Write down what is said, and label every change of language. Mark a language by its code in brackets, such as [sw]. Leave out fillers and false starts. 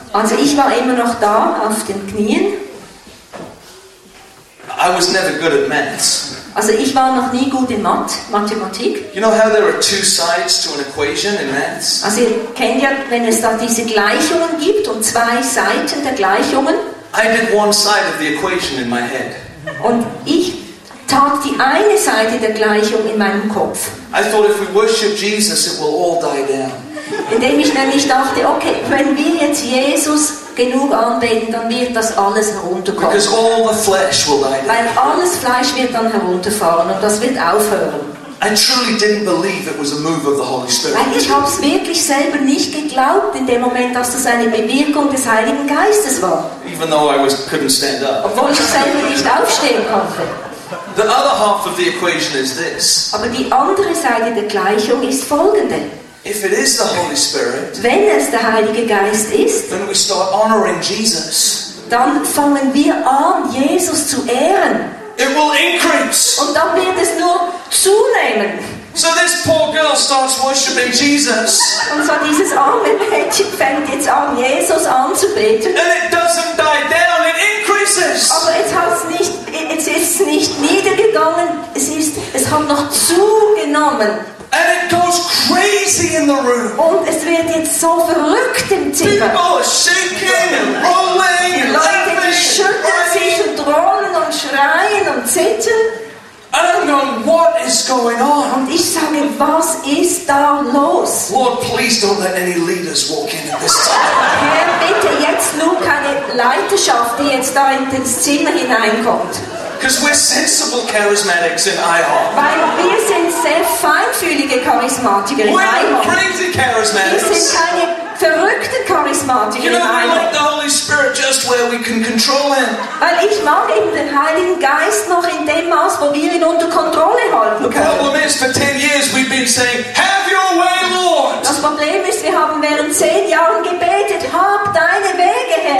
[de] Also ich war immer noch da auf den Knien. [en] I was never good at maths. [de] Also ich war noch nie gut in Mathematik. [en] You know how there are two sides to an equation in maths? [de] Also ihr kennt ja, wenn es da diese Gleichungen gibt und zwei Seiten der Gleichungen. [en] I did one side of the equation in my head. [de] Und ich tat die eine Seite der Gleichung in meinem Kopf. [en] I thought if we worship Jesus, it will all die down. [de] Indem ich nämlich dachte, okay, wenn wir jetzt Jesus genug anbeten, dann wird das alles herunterkommen. [en] Because all the flesh will die down. [de] Weil alles Fleisch wird dann herunterfahren und das wird aufhören. [en] I truly didn't believe it was a move of the Holy Spirit. [de] Weil ich habe es wirklich selber nicht geglaubt in dem Moment, dass das eine Bewirkung des Heiligen Geistes war. [en] Even though I couldn't stand up. [de] Obwohl ich selber nicht aufstehen konnte. [en] The other half of the equation is this. [de] Aber die andere Seite der Gleichung ist folgende. [en] If it is the Holy Spirit, [de] wenn es der Heilige Geist ist, [en] then we start honoring Jesus. [de] Dann fangen wir an, Jesus zu ehren. [en] It will increase. [de] Und dann wird es nur zunehmen. [en] So this poor girl starts worshiping Jesus. [de] Und so dieses arme Mädchen fängt jetzt an, Jesus anzubeten. [en] And it doesn't die down, it increases. [de] Aber es ist nicht niedergegangen, es hat noch zugenommen. [en] And it goes crazy in the room. [de] Und es wird jetzt so verrückt im Zimmer. [en] People are shaking and rolling and laughing. [de] Leute schütteln sich und rollen und schreien und zittern. [en] And I'm going, what is going on? [de] Und ich sage, was ist da los? [en] Lord, please don't let any leaders walk in at this time. [de] Herr, bitte jetzt nur keine Leiterschaft, die jetzt da in das Zimmer hineinkommt. [en] Because we're sensible charismatics in IHOP. [de] Weil wir sind sehr feinfühlige Charismatiker in IHOP. [en] We're not crazy charismatics. [de] Wir sind keine verrückte Charismatiker in IHOP. [en] You know, we like the Holy Spirit just where we can control him. [de] Weil ich mag eben den Heiligen Geist noch in dem Maß, wo wir ihn unter Kontrolle halten können. [en] The problem is, for 10 years we've been saying, have your way, Lord. [de] Das Problem ist, wir haben während 10 Jahren gebetet, hab deine Wege, Herr.